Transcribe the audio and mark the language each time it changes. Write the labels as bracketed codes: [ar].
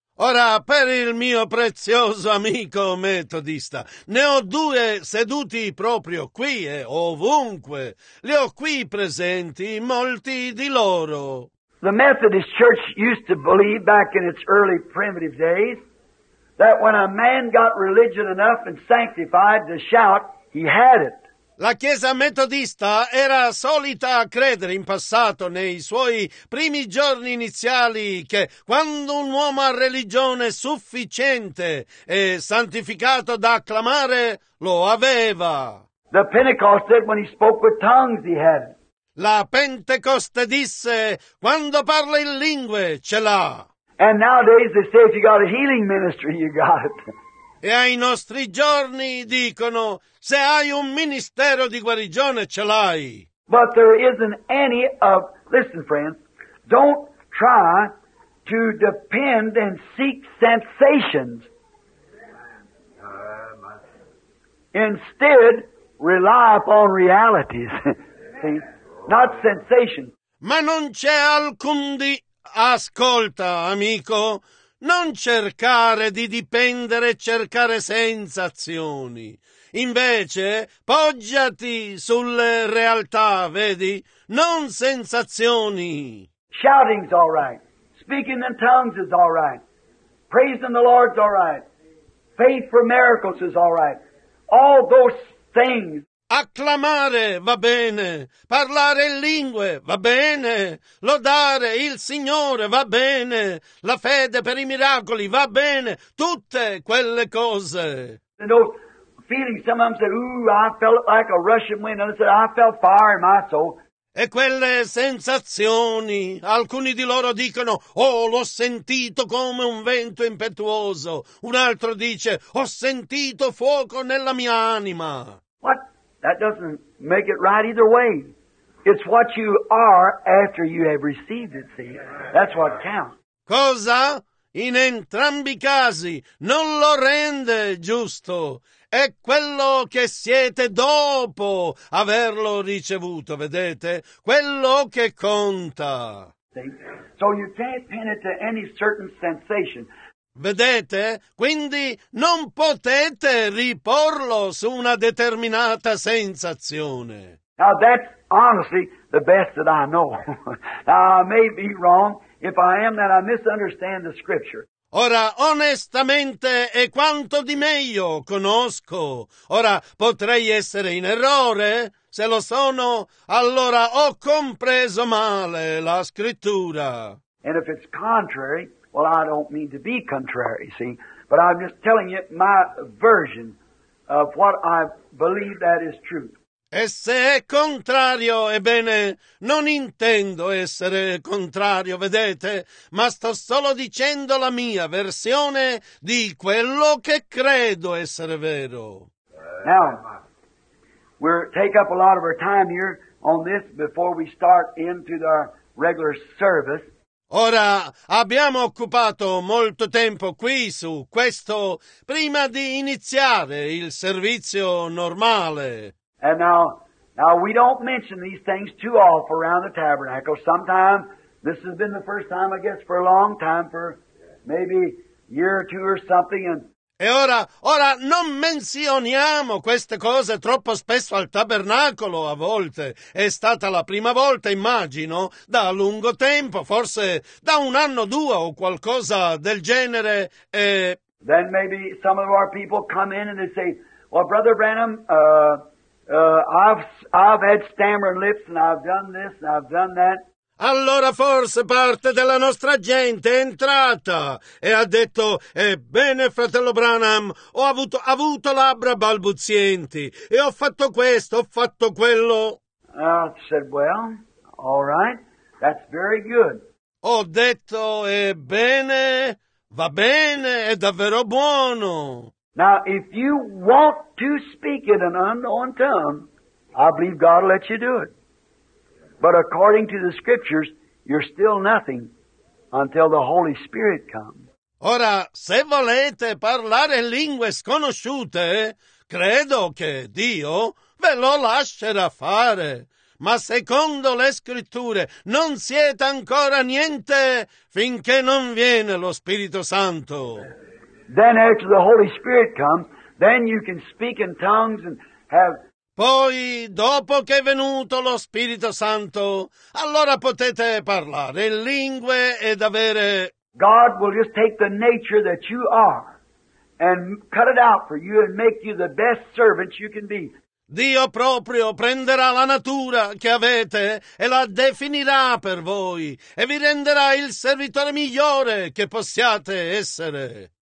[it] Ora, per il mio prezioso amico metodista, ne ho due seduti proprio qui e ovunque. Li ho qui presenti, molti di loro. [en] The Methodist Church used to believe back in its early primitive days that when a man got religion enough and sanctified to shout, he had it. [it] La Chiesa metodista era solita credere in passato, nei suoi primi giorni iniziali, che quando un uomo ha religione sufficiente e santificato da acclamare, lo aveva. [en] The Pentecost said when he spoke with tongues he had it. [it] La Pentecoste disse quando parla in lingue ce l'ha. [en] And nowadays they say if you got a healing ministry, you got it. [it] E ai nostri giorni dicono, se hai un ministero di guarigione, ce l'hai. [en] But there isn't any of, listen friends, don't try to depend and seek sensations. Instead, rely upon realities. See? Not sensations. [it] Ma non c'è alcun di... Ascolta, amico, non cercare di dipendere e cercare sensazioni. Invece, poggiati sulle realtà, vedi? Non sensazioni. [en] Shouting's all right. Speaking in tongues is all right. Praising the Lord's all right. Faith for miracles is all right. All those things. [it] Acclamare va bene, parlare in lingue va bene, lodare il Signore va bene, la fede per i miracoli va bene, tutte quelle cose. [en] You know, feeling some of them said, ooh, I felt like a rushing wind, and I said, I felt fire in my soul. [it] E quelle sensazioni, alcuni di loro dicono, oh, l'ho sentito come un vento impetuoso. Un altro dice, ho sentito fuoco nella mia anima. [en] What? That doesn't make it right either way. It's what you are after you have received it, see? That's what counts. [it] Cosa? In entrambi i casi non lo rende giusto. È quello che siete dopo averlo ricevuto, vedete? Quello che conta. [en] So you can't pin it to any certain sensation. [it] Vedete? Quindi non potete riporlo su una determinata sensazione. [en] Now that's honestly the best that I know. Now I may be wrong. If I am, then I misunderstand the scripture. [it] Ora, onestamente, è quanto di meglio conosco. Ora, potrei essere in errore. Se lo sono, allora ho compreso male la scrittura. [en] And if it's contrary, well, I don't mean to be contrary, see. But I'm just telling you my version of what I believe that is true. [it] E se è contrario, ebbene, non intendo essere contrario, vedete, ma sto solo dicendo la mia versione di quello che credo essere vero. [en] Now, we'll take up a lot of our time here on this before we start into our regular service. [it] Ora, abbiamo occupato molto tempo qui su questo prima di iniziare il servizio normale. [en] And now we don't mention these things too often around the tabernacle. Sometime, this has been the first time, I guess, for a long time, for maybe a year or two or something. And [it] e ora non menzioniamo queste cose troppo spesso al tabernacolo a volte. È stata la prima volta, immagino, da lungo tempo, forse da un anno o due o qualcosa del genere. E [en] then maybe some of our people come in and they say, well, Brother Branham, I've had stammering lips and I've done this and I've done that. [it] Allora forse parte della nostra gente è entrata e ha detto, ebbene fratello Branham, ho avuto labbra balbuzienti e ho fatto questo, ho fatto quello. [en] I said, well, all right, that's very good. [it] Ho detto, ebbene, va bene, è davvero buono. [en] Now, if you want to speak in an unknown tongue, I believe God will let you do it. But according to the Scriptures, you're still nothing until the Holy Spirit comes. [it] Ora, se volete parlare lingue sconosciute, credo che Dio ve lo lascerà fare. Ma secondo le Scritture, non siete ancora niente finché non viene lo Spirito Santo. [en] Then after the Holy Spirit comes, then you can speak in tongues and have... [it] Poi, dopo che è venuto lo Spirito Santo, allora potete parlare in lingue ed avere... [en] God will just take the nature that you are and cut it out for you and make you the best servant you can be. [it] Dio proprio prenderà la natura che avete e la definirà per voi e vi renderà il servitore migliore che possiate essere.